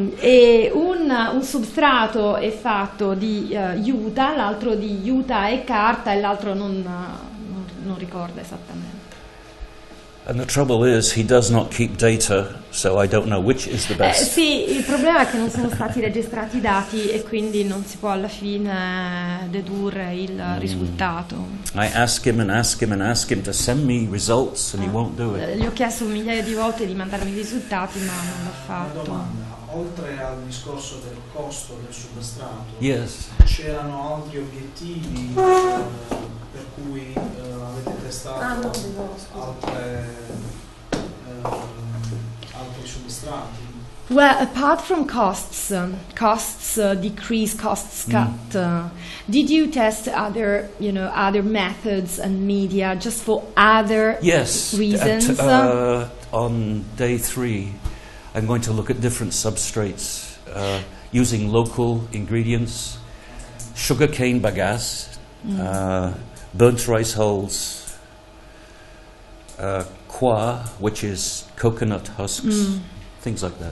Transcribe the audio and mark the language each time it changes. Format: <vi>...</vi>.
<it>Un substrato è fatto di juta, l'altro di juta e carta, e l'altro non ricorda esattamente.</it> <en>And the trouble is he does not keep data, so I don't know which is the best.</en> <it>Sì, il problema è che non sono stati registrati i dati e quindi non si può alla fine dedurre il risultato.</it> <en>I ask him and ask him and ask him to send me results and he won't do it.</en> <it>Gli ho chiesto migliaia di volte di mandarmi i risultati, ma non l'ha fatto. Una domanda. oltre al discorso del costo del substrato,</it> <en>yes,</en> <it>c'erano altri obiettivi per cui avete testato altri substrati?</it> <en>Well, apart from costs, costs decrease, costs cut, did you test other, you know, other methods and media just for other reasons? Yes, on day three, I'm going to look at different substrates using local ingredients, sugarcane bagasse, burnt rice hulls, kwa, which is coconut husks, things like that.</en>